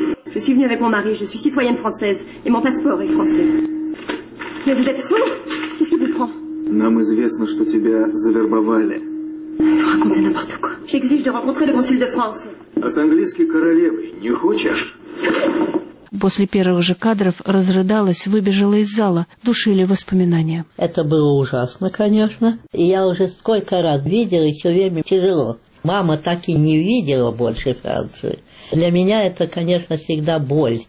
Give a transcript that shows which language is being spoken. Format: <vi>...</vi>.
<fr>Je suis citoyenne française et mon passeport est français. Mais vous êtes fou ? Qu'est-ce que vous prenez ?</fr> <ru>Нам известно, что тебя завербовали.</ru> <fr>Vous racontez n'importe quoi. J'exige de rencontrer le consul de France.</fr> <ru>А с английской королевой не хочешь? После первых же кадров разрыдалась, выбежала из зала. Душили воспоминания. Это было ужасно, конечно. И я уже сколько раз видела, и все время тяжело. Мама так и не видела больше Франции. Для меня это, конечно, всегда боль.</ru>